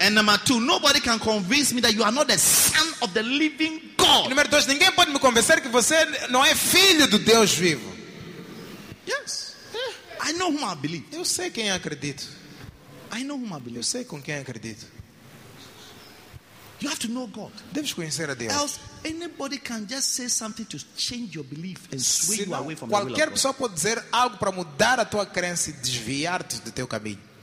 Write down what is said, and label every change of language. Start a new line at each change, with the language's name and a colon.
English: And number two, nobody can convince me that you are not the son of the living God.
Portuguese: Número dois, ninguém pode me convencer que você não é filho do Deus vivo.
English: Yes. I know whom I believe.
Portuguese: Eu sei quem acredito.
English: I know whom I believe.
Portuguese: Eu sei com quem acredito.
English: You have to know God.
Portuguese: Deves conhecer a Deus.
English: Else anybody can just say something to change your belief and sway you away from
Portuguese: qualquer pessoa pode dizer algo para mudar a tua crença e desviar-te do teu caminho.